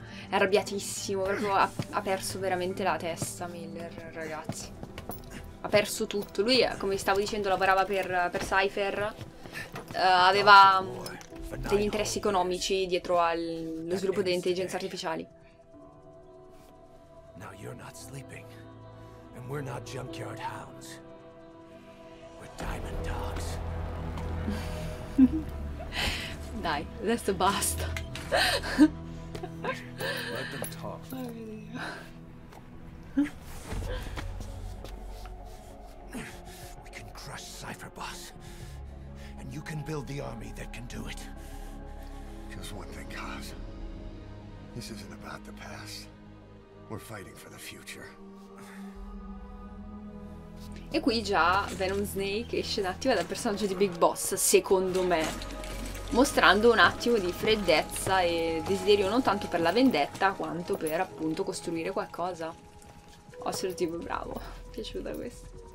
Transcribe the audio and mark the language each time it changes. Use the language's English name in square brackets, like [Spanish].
[Italian] Arrabbiatissimo, proprio ha perso veramente la testa Miller, ragazzi. Ha perso tutto. Lui, come stavo dicendo, lavorava per Cypher. Aveva degli interessi economici dietro allo sviluppo delle intelligenze artificiali. [English] Now you're not sleeping. And we're not junkyard hounds. We're diamond dogs. [Italian] Dai, adesso basta. [English] Let them talk. We can crush Cypher, boss. And you can build the army that can do it. Just one thing, Kaz. This isn't about the past. We're fighting for the future. [Italian] E qui già Venom Snake esce un attimo dal personaggio di Big Boss, secondo me. Mostrando un attimo di freddezza e desiderio non tanto per la vendetta quanto per appunto costruire qualcosa. Assolutamente bravo, mi è piaciuta questa.